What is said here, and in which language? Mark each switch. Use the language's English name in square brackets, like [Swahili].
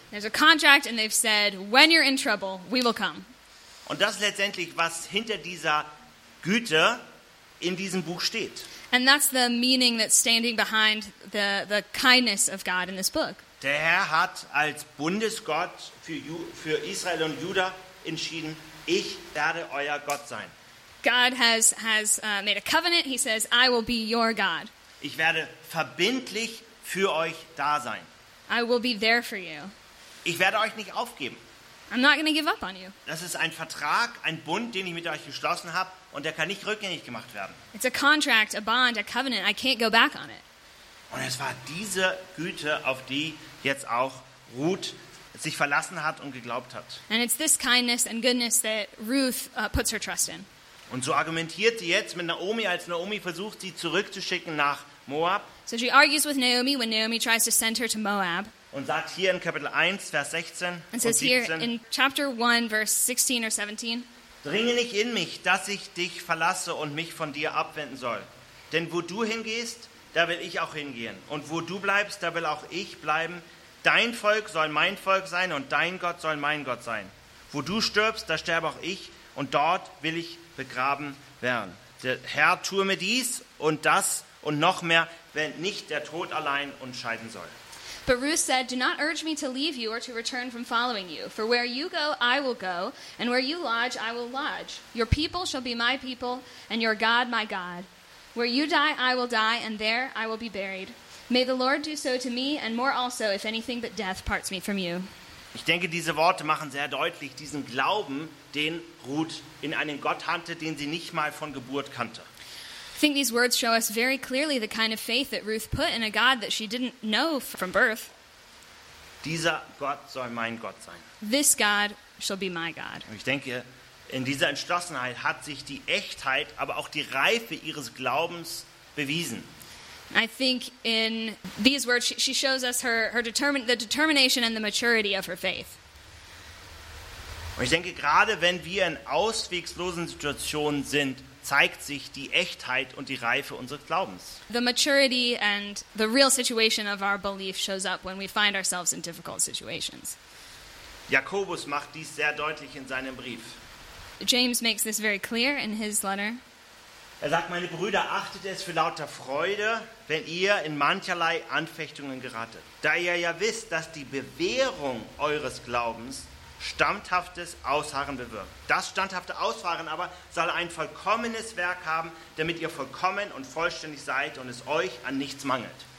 [English] There's a contract and they've said, when you're in trouble, we will come. [German] Und das ist letztendlich, was hinter dieser Güte in diesem Buch steht. [English] And that's the meaning that's standing behind the kindness of God in this book. [German] Der Herr hat als Bundesgott für Israel und Juda entschieden, ich werde euer Gott sein. [English] God has made a covenant. He says, I will be your God. [German] Ich werde verbindlich für euch da sein. [English] I will be there for you. [German] Ich werde euch nicht aufgeben. [English] I'm not going to give up on you. [German] Das ist ein Vertrag, ein Bund, den ich mit euch geschlossen habe und der kann nicht rückgängig gemacht werden. [English] It's a contract, a bond, a covenant. I can't go back on it. [German] Und es war diese Güte, auf die jetzt auch Ruth sich verlassen hat und geglaubt hat. [English] And it's this kindness and goodness that Ruth puts her trust in. [German] Und so argumentiert sie jetzt mit Naomi, als Naomi versucht, sie zurückzuschicken nach Moab. [English] So she argues with Naomi when Naomi tries to send her to Moab. [German] Und sagt hier in Kapitel 1, Vers 16 und 17. [English] And says here in chapter 1, verse 16 or 17. [German] Dringe nicht in mich, dass ich dich verlasse und mich von dir abwenden soll. Denn wo du hingehst, da will ich auch hingehen. Und wo du bleibst, da will auch ich bleiben. Dein Volk soll mein Volk sein und dein Gott soll mein Gott sein. Wo du stirbst, da sterbe auch ich und dort will ich begraben werden. Der Herr tue mir dies und das und noch mehr, wenn nicht der Tod allein uns scheiden soll. [English] But Ruth said, "Do not urge me to leave you or to return from following you. For where you go, I will go, and where you lodge, I will lodge. Your people shall be my people, and your God my God. Where you die, I will die, and there I will be buried. May the Lord do so to me, and more also, if anything but death parts me from you." [German] Ich denke, diese Worte machen sehr deutlich diesen Glauben, den Ruth in einen Gott hatte, den sie nicht mal von Geburt kannte. [English] I think these words show us very clearly the kind of faith that Ruth put in a God that she didn't know from birth. [German] Dieser Gott soll mein Gott sein. [English] This God shall be my God. [German] Und ich denke, in dieser Entschlossenheit hat sich die Echtheit, aber auch die Reife ihres Glaubens bewiesen. [English] I think in these words she shows us the determination and the maturity of her faith. [German] Und ich denke, gerade wenn wir in ausweglosen Situationen sind, zeigt sich die Echtheit und die Reife unseres Glaubens. [English] The maturity and the real situation of our belief shows up when we find ourselves in difficult situations. [German] Jakobus macht dies sehr deutlich in seinem Brief. [English] James makes this very clear in his letter. [German] Er sagt, meine Brüder, achtet es für lauter Freude, wenn ihr in mancherlei Anfechtungen geratet. Da ihr ja wisst, dass die Bewährung eures Glaubens standhaftes Ausharren bewirkt. Das standhafte Ausharren aber soll ein vollkommenes Werk haben, damit ihr vollkommen und vollständig seid und es euch an nichts mangelt.